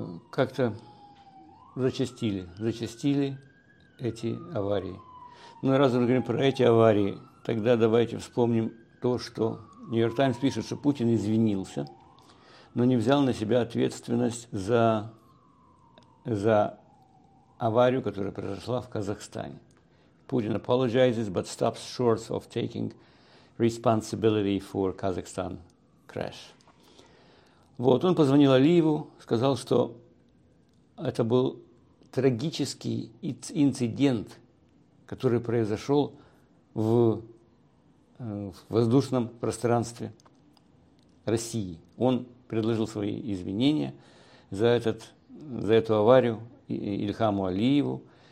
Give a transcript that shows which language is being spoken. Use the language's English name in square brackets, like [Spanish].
[Russian] Как-то зачастили эти аварии. Но раз мы говорим про эти аварии, тогда давайте вспомним то, что Нью-Йорк Таймс пишет, что Путин извинился, но не взял на себя ответственность за аварию, которая произошла в Казахстане. [English] Путин apologizes, but stops short of taking responsibility for Kazakhstan crash. [Russian] Вот, он позвонил Алиеву, сказал, что это был трагический инцидент, который произошел в воздушном пространстве России. Он предложил свои извинения за эту аварию Ильхаму Алиеву.